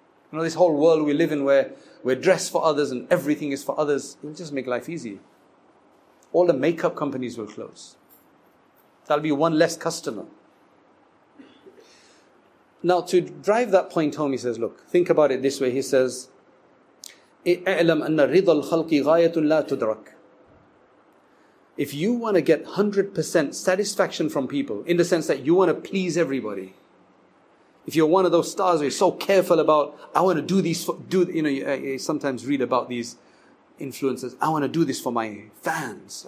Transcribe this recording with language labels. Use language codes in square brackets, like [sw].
[en] You know, this whole world we live in where we're dressed for others and everything is for others, it'll just make life easy. All the makeup companies will close. That'll be one less customer. Now, to drive that point home, he says, look, think about it this way. He says, [ar] اعلم أن رضا الخلق غاية لا تدرك. [en] If you want to get 100% satisfaction from people, in the sense that you want to please everybody, if you're one of those stars who are so careful about, I want to do these, you sometimes read about these influencers, I want to do this for my fans.